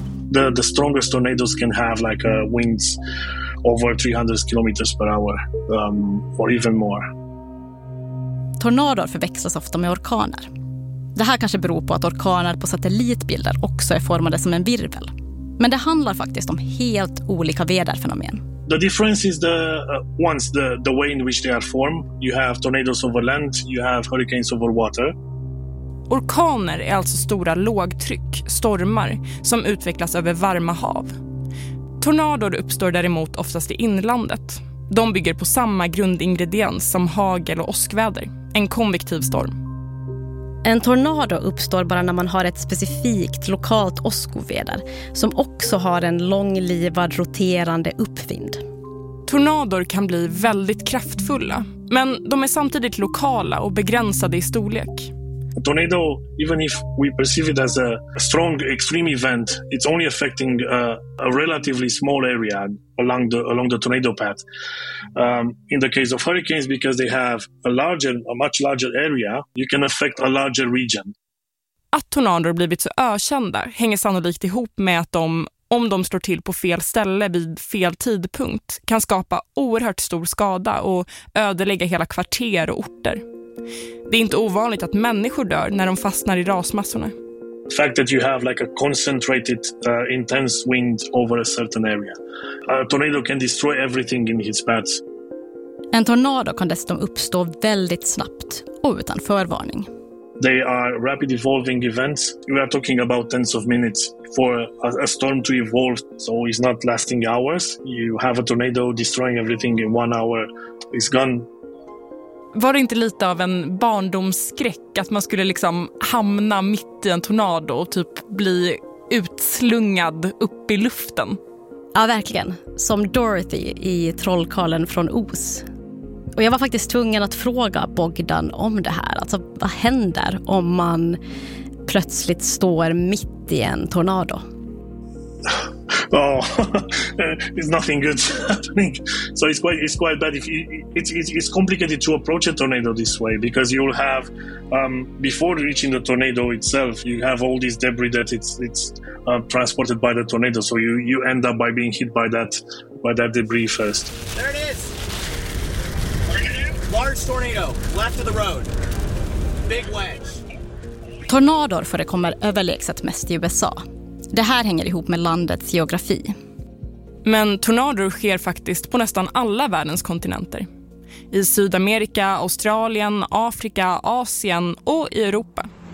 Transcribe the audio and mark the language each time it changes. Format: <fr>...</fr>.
<en>The strongest tornadoes can have like winds over 300 kilometers per hour or even more.</en> <sv>Tornador förväxlas ofta med orkaner. Det här kanske beror på att orkaner på satellitbilder också är formade som en virvel. Men det handlar faktiskt om helt olika väderfenomen.</sv> <en>The difference is the way in which they are formed. You have tornadoes over land, you have hurricanes over water.</en> <sv>Orkaner är alltså stora lågtryck, stormar, som utvecklas över varma hav. Tornador uppstår däremot oftast i inlandet. De bygger på samma grundingrediens som hagel och åskväder, en konvektiv storm. En tornado uppstår bara när man har ett specifikt lokalt åskoväder som också har en långlivad roterande uppvind. Tornador kan bli väldigt kraftfulla, men de är samtidigt lokala och begränsade i storlek.</sv> <en>A tornado, even if we perceive it as a strong extreme event, it's only affecting a relatively small area along the tornado path. In the case of hurricanes, because they have a much larger area, you can affect a larger region.</en> <sv>Att tornador blivit så ökända hänger sannolikt ihop med att de, om de slår till på fel ställe vid fel tidpunkt, kan skapa oerhört stor skada och ödelägga hela kvarter och orter. Det är inte ovanligt att människor dör när de fastnar i rasmassorna.</sv> <en>The fact that you have like a concentrated intense wind over a certain area. A tornado can destroy everything in its path. En tornado kan dessutom uppstå väldigt snabbt och utan förvarning. They are rapid evolving events. We are talking about tens of minutes for a storm to evolve, so it's not lasting hours. You have a tornado destroying everything in 1 hour, it's gone.</en> <sv>Var det inte lite av en barndomsskräck att man skulle liksom hamna mitt i en tornado och typ bli utslungad upp i luften? Ja, verkligen. Som Dorothy i Trollkarlen från Oz. Och jag var faktiskt tvungen att fråga Bogdan om det här. Alltså, vad händer om man plötsligt står mitt i en tornado?</sv> <en>Oh, it's nothing good happening. So it's quite bad. It's complicated to approach a tornado this way, because you'll have before reaching the tornado itself, you have all this debris that it's transported by the tornado. So you end up by being hit by that debris first. There it is. Large tornado left of the road. Big wedge.</en> <sv>Tornador förekommer överlägset mest i USA. Det här hänger ihop med landets geografi. Men tornador sker faktiskt på nästan alla världens kontinenter. I Sydamerika, Australien, Afrika, Asien och i Europa.</sv>